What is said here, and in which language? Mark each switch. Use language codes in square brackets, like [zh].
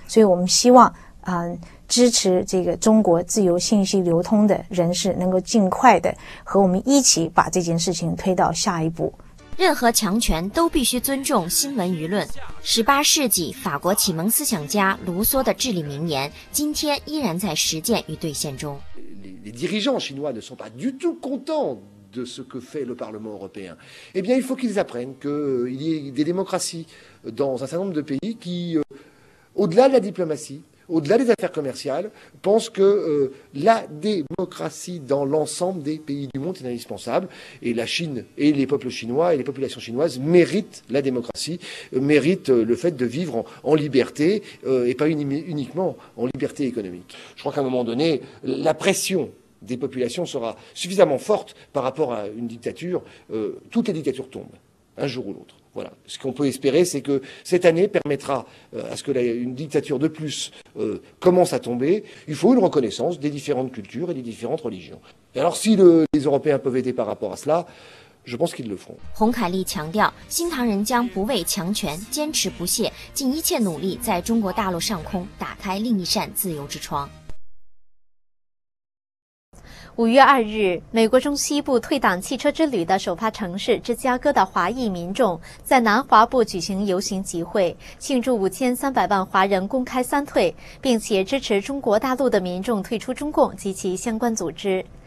[zh] 所以我们希望支持这个中国自由信息流通的人士能够尽快的和我们一起把这件事情推到下一步。任何强权都必须尊重新闻舆论。18世纪法国启蒙思想家卢梭的至理名言，今天依然在实践与兑现中。 [fr] Les dirigeants chinois ne sont pas du tout contents de ce que fait le Parlement européen. Eh bien, il faut qu'ils apprennent qu'il y a des démocraties dans un certain nombre de pays qui, au-delà de la diplomatie, au-delà des affaires commerciales, pensent que la démocratie dans l'ensemble des pays du monde est indispensable. Et la Chine et les peuples chinois et les populations chinoises méritent la démocratie, méritent le fait de vivre en liberté et pas uniquement en liberté économique. Je crois qu'à un moment donné, la pression des populations sera suffisamment forte par rapport à une dictature. Toutes les dictatures tombent, un jour ou l'autre. Voilà. Ce qu'on peut espérer, c'est que cette année permettra à ce qu'une dictature de plus commence à tomber. Il faut une reconnaissance des différentes cultures et des différentes religions. Et alors si les Européens peuvent aider par rapport à cela, je pense qu'ils le feront. [zh] 洪凯利强调，新唐人将不畏强权，坚持不懈，尽一切努力在中国大陆上空打开另一扇自由之窗。 5月2日，美国中西部退党汽车之旅的首发城市芝加哥的华裔民众在南华部举行游行集会，庆祝5300万华人公开三退，并且支持中国大陆的民众退出中共及其相关组织。